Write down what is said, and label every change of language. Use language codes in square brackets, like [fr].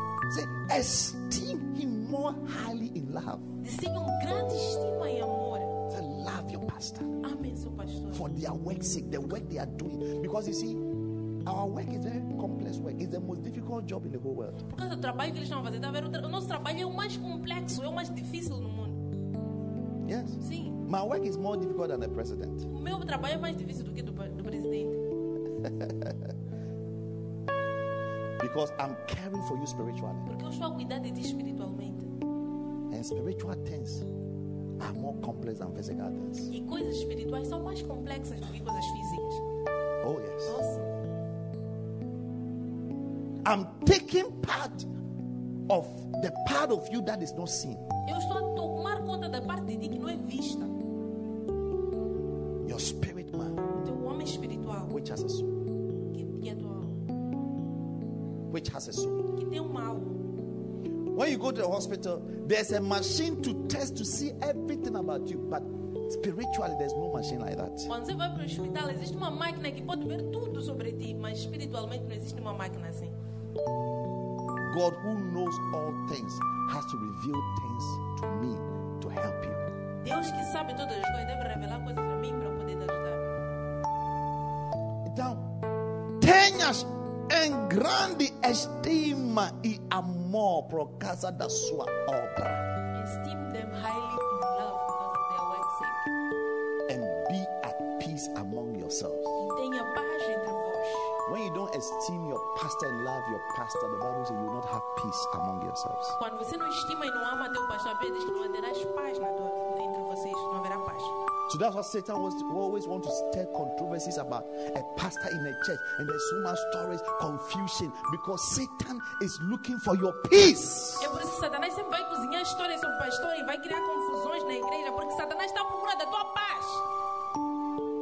[en] Say, esteem him more highly in love. [pt] Tenha um grande estima e amor. [en] Say, love your pastor. [pt] Amém, seu pastor. [en] For their work's sake, the work they are doing. Because you see, our work is a very complex work. It's the most difficult job in the whole world. [pt] Por causa do trabalho que eles estão fazendo, o nosso trabalho é o mais complexo, é o mais difícil no mundo. [en] Yes. [pt] Sim. [en] My work is more difficult than the president. [pt] O meu trabalho é mais difícil do que do presidente. [en] Because I'm caring for you spiritually. [pt] Porque eu estou a cuidar de ti espiritualmente. [en] And spiritual things are more complex than physical things. [pt] E coisas espirituais são mais complexas do que coisas físicas. [en] Oh yes. [pt] Nossa. [en] I'm taking part of the part of you that is not seen. [pt] Eu estou a tomar conta da parte de ti que não é vista. [en] Your spirit man. [pt] O teu homem espiritual. [en] Which has a soul. [pt] Que é tua alma. [en] Which has a soul. [pt] Que tem uma alma. [en] When you go to the hospital, there's a machine to test to see everything about you, but spiritually there's no machine like that. [pt] Quando você vai para o hospital, existe uma máquina que pode ver tudo sobre ti, mas espiritualmente não existe uma máquina assim. [en] God, who knows all things, has to reveal things to me to help you. [pt] Deus que sabe todas as coisas deve revelar coisas para mim para poder te ajudar. Então, tenhas em grande estima e amor por causa da sua obra. [en] Esteem them highly in love because of their work's sake. And be at peace among yourselves. [pt] Tenha paz entre vós. [en] When you don't esteem your pastor and love your pastor, the Bible says you will not have peace among yourselves. [pt] Quando você não estima e não ama teu pastor, a Bíblia diz que não haverás paz entre vocês, não haverá paz. [en] So that's why Satan always wants to stir controversies about a pastor in a church. And there's so much stories, confusion, because Satan is looking for your peace. [pt] É por isso que Satanás sempre vai cozinhar histórias sobre o pastor e vai criar confusões na igreja, porque Satanás está à procura da tua paz.